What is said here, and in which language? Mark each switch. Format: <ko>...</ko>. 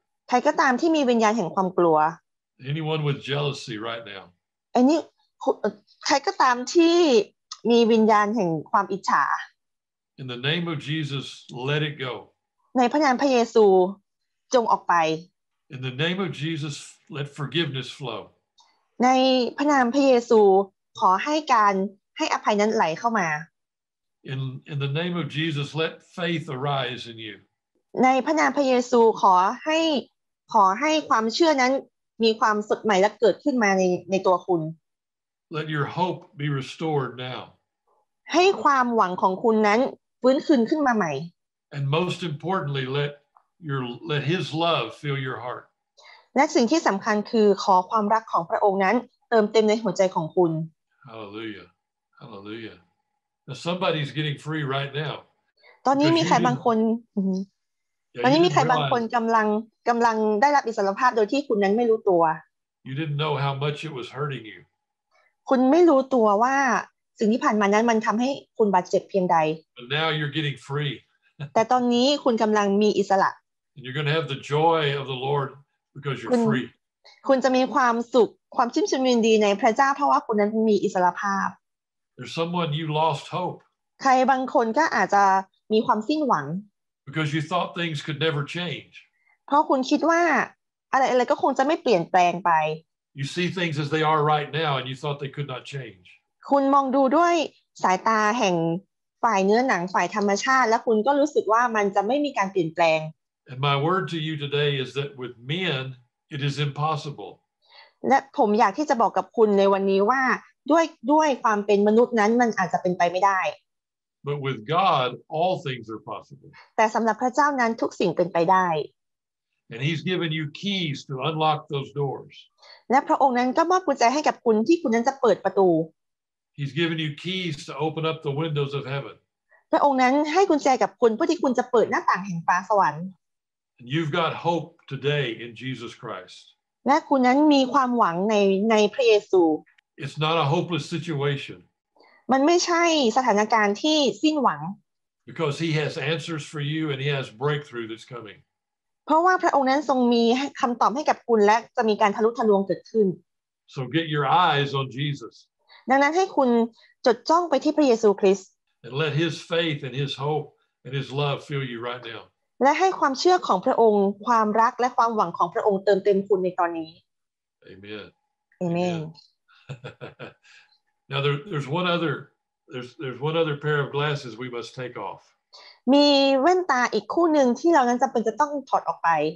<th>ใครก็ตามที่มีวิญญาณแห่งความกลัว</th> <en>Anyone with jealousy right now</en> <th>ใครก็ตามที่มีวิญญาณแห่งความอิจฉา</th> <en>In the name of Jesus let it go</en> <th>ในพระนามพระเยซูจงออกไป</th> <en>In the name of Jesus let forgiveness flow</en> <th>ในพระนามพระเยซูขอให้การให้อภัยนั้นไหลเข้ามา</th> <en>In the name of Jesus, let faith arise in you.</en> <th>ในพระนามพระเยซูขอให้ความเชื่อนั้นมีความสดใหม่และเกิดขึ้นมาในตัวคุณ</th> <en>Let your hope be restored now.</en> <th>ให้ความหวังของคุณนั้นฟื้นคืนขึ้นมาใหม่</th> <en>And most importantly, let His love fill your heart.</en> <th>และสิ่งที่สำคัญคือขอความรักของพระองค์นั้นเติมเต็มในหัวใจของคุณ</th> <en>Hallelujah, Hallelujah. Now somebody's getting free right now.</en> <th>ตอนนี้มีใครบางคนตอนนี้มีใครบางคนกำลังได้รับอิสรภาพโดยที่คุณนั้นไม่รู้ตัว</th> <en>You didn't know how much it was hurting you.</en> <th>คุณไม่รู้ตัวว่า สิ่งที่ผ่านมานั้นมันทําให้คุณบาดเจ็บเพียงใด</th> <en>But now you're getting free</en> <th>แต่ตอนนี้คุณกําลังมีอิสระ</th> <en>And you're going to have the joy of the Lord because you're free</en> <th>คุณจะมีความสุขความชื่นชมยินดีในพระเจ้าเพราะว่าคุณนั้นมีอิสระภาพ</th> <en>There's someone you lost hope</en> <th>ใครบางคนก็อาจจะมีความสิ้นหวัง</th> <en>Because you thought things could never change</en> <th>เพราะคุณคิดว่าอะไรๆก็คงจะไม่เปลี่ยนแปลงไป</th> <en>You see things as they are right now and you thought they could not change</en> <th>คุณมองดูด้วยสายตาแห่งฝ่ายเนื้อหนังฝ่ายธรรมชาติแล้วคุณก็รู้สึกว่ามันจะไม่มีการเปลี่ยนแปลง</th> <en>And my word to you today is that with men it is impossible</en> <th>และผมอยากที่จะบอกกับคุณในวันนี้ว่าด้วยความเป็นมนุษย์นั้นมันอาจจะเป็นไปไม่ได้</th> <en>But with God, all things are possible.</en> <th>แต่สำหรับพระเจ้านั้นทุกสิ่งเป็นไปได้</th> <en>And He's given you keys to unlock those doors.</en> <th>และพระองค์นั้นก็มอบกุญแจให้กับคุณที่คุณนั้นจะเปิดประตู</th> <en>He's given you keys to open up the windows of heaven.</en> <th>พระองค์นั้นให้กุญแจกับคุณเพื่อที่คุณจะเปิดหน้าต่างแห่งฟ้าสวรรค์</th> <en>And you've got hope today in Jesus Christ.</en> <th>และคุณนั้นมีความหวังในพระเยซู</th> <en>It's not a hopeless situation.</en> <th>มันไม่ใช่สถานการณ์ที่สิ้นหวัง</th> <en>Because he has answers for you and he has breakthrough that's coming</en> <th>เพราะว่าพระองค์นั้นทรงมีคำตอบให้กับคุณและจะมีการทะลุทะลวงเกิดขึ้น</th> <en>So get your eyes on Jesus</en> <th>ดังนั้นให้คุณจดจ้องไปที่พระเยซูคริสต์</th> <en>And let his faith and his hope and his love fill you right now</en> <th>และให้ความเชื่อของพระองค์ความรักและความหวังของพระองค์เติมเต็มคุณในตอนนี้</th> <en>Amen Amen Now there's one other pair of glasses we must take off.</en> <th>มีแว่นตาอีกคู่นึงที่เรานั้นจําเป็นจะต้องถอดออกไป</th>